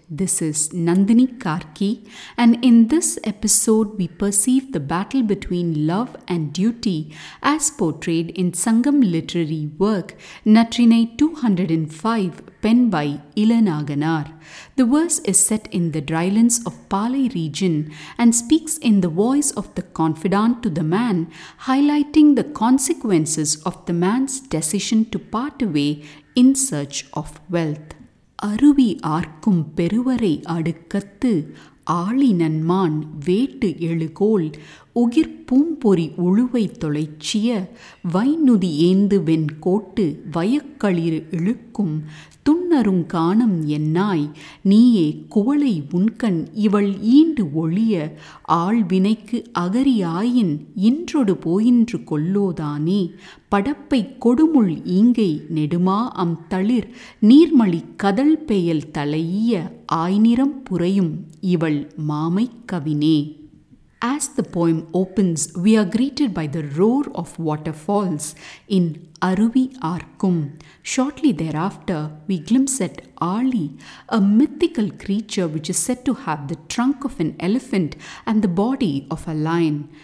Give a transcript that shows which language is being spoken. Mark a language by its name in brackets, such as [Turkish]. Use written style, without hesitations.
[English] This is Nandini Karki, and in this episode we perceive the battle between love and duty as portrayed in Sangam literary work Natrinai 205, penned by Ilanakanaar. The verse is set in the drylands of Paalai region and speaks in the voice of the confidante to the man, highlighting the consequences of the man's decision to part away in search of wealth. [Tamil] அருவி ஆர்க்கும் பெருவரை அடுக்கத்து ஆளி நன்மான் வேட்டு எழுகோல் உகிர் பூம்பொறி உழுவை தொலைச்சிய வைநுதி ஏந்து வெண்கோட்டு வயக்களிறு இழுக்கும் துண்ணருங்கானம் என்னாய் நீயே குவளை உன்கண் இவள் ஈண்டு ஒழிய ஆள்வினைக்கு அகரியாயின் இன்றொடு போயின்று கொல்லோதானே படப்பை கொடுமுள் ஈங்கை நெடுமா அம் தளிர் நீர்மளி கதல் பெயல் தலையிய ஆய்நிறம் புறையும் இவள் மாமைக்கவினே. [English] As the poem opens, we are greeted by the roar of waterfalls in Aruvi Arkum. Shortly thereafter, we glimpse at Ali, a mythical creature which is said to have the trunk of an elephant and the body of a lion.